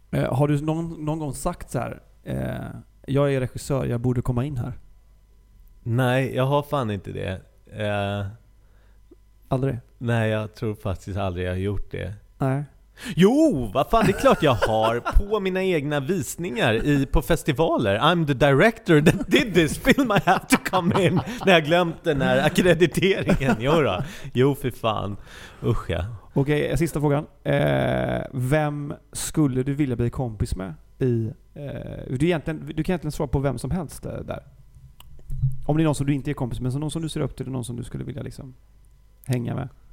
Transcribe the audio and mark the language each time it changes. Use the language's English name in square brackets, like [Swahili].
[Swedish] Har du någon gång sagt så här, jag är regissör, jag borde komma in här? Nej, jag har fan inte det. Aldrig? Nej, jag tror faktiskt aldrig jag har gjort det. Nej. Jo, vad fan, det är klart jag har på mina egna visningar på festivaler. [English] I'm the director that did this film, I have to come in. [Swedish] När jag glömt den här akkrediteringen. Jo då, jo för fan. Usch ja. Okej, sista frågan. Vem skulle du vilja bli kompis med? Du kan egentligen svara på vem som helst där. Om det är någon som du inte är kompis med, så någon som du ser upp till, någon som du skulle vilja liksom hänga med.